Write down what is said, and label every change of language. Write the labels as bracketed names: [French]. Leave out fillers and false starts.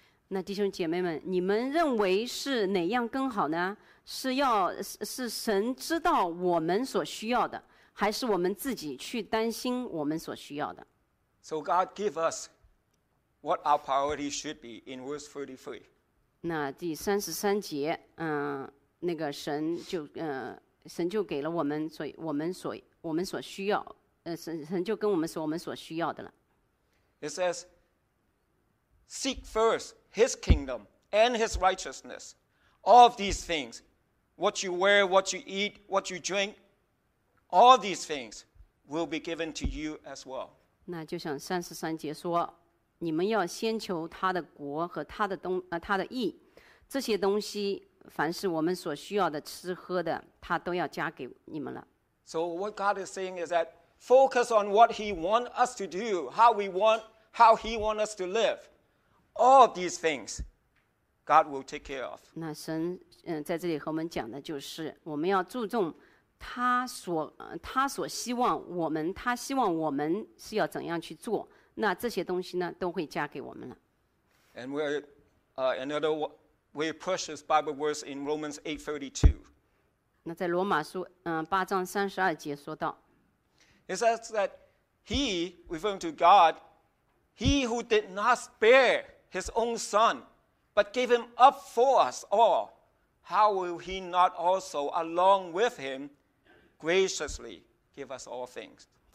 [Chinese] 那弟兄姐妹们，你们认为是哪样更好呢？是要是神知道我们所需要的，还是我们自己去担心我们所需要的？ [English] So God give us what our priority should be in verse 33. [Chinese] 那第三十三节，那个神就给了我们，所以我们所需要，神就跟我们说我们所需要的了。 [English] It says, "Seek first His kingdom and His righteousness. All of these things, what you wear, what you eat, what you drink, all these things will be given to you as well." [Chinese] 那就像三十三节说，你们要先求他的国和他的义，这些东西。凡是我们所需要的吃喝的，他都要加给你们了。 [English] So what God is saying is that focus on what He wants us to do, how He wants us to live. All of these things, God will take care of. [Chinese] 那神在这里和我们讲的就是，我们要注重他所希望我们，他希望我们是要怎样去做，那这些东西呢都会加给我们了。 [English] And we're another one. We push this Bible verse in Romans 8:32. [Chinese] 那在罗马书八章三十二节说到。 [English] It says that he, referring to God, he who did not spare his own son, but gave him up for us all, how will he not also, along with him, graciously give us all things?